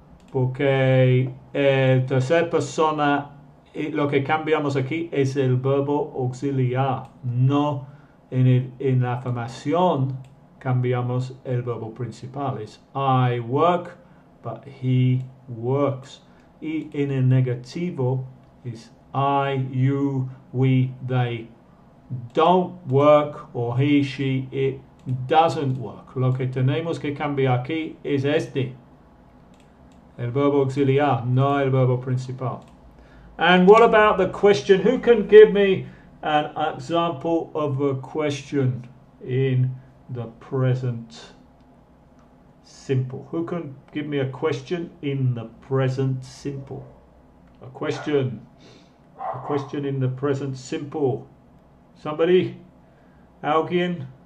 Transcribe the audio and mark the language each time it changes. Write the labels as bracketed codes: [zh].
[es] Porque el tercer persona, lo que cambiamos aquí es el verbo auxiliar. No en el, en la afirmación cambiamos el verbo principal. [en] Es I work, but he works. Y en el negativo is I, you, we, they don't work, or he, she, it doesn't work. [es] Lo que tenemos que cambiar aquí es este, el verbo auxiliar, no el verbo principal. [en] And what about the question? Who can give me an example of a question in the present simple? Who can give me a question in the present simple? A question. A question in the present simple. Somebody? Alguien?